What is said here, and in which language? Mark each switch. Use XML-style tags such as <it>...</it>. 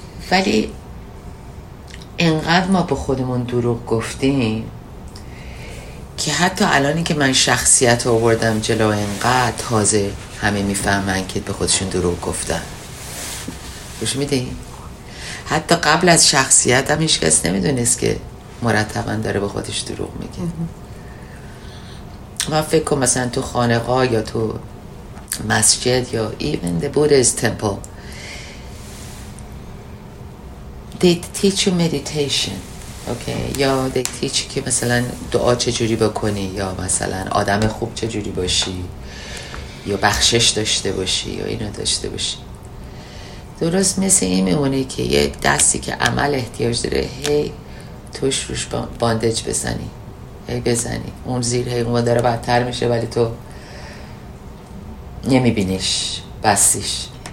<fa>ولی اینقدر ما به خودمون دروغ گفتیم که حتی الانی که من شخصیت آوردم جلو، اینقدر تازه همه میفهمن که به خودشون دروغ گفتن. روش میدین؟ حتی قبل از شخصیت هم هیچ کس نمیدونست که مرتبا داره به خودش دروغ میگه. من فکر کنم مثلا تو خانقا یا تو</fa> <en>masjid or even the Buddha's temple, they teach you meditation, okay? Or they teach you,</en> <fa>مثلا دعا چجوری بکنی یا مثلا آدم خوب چجوری باشی یا بخشش داشته باشی یا اینو داشته باشی. درست مثل این میمونه که یه دستی که عمل احتیاج داره هی توش روش باندج بزنی، هی بزنی اون زیر، هی اون داره بدتر میشه ولی تو نمیبینیش بسیش.</fa>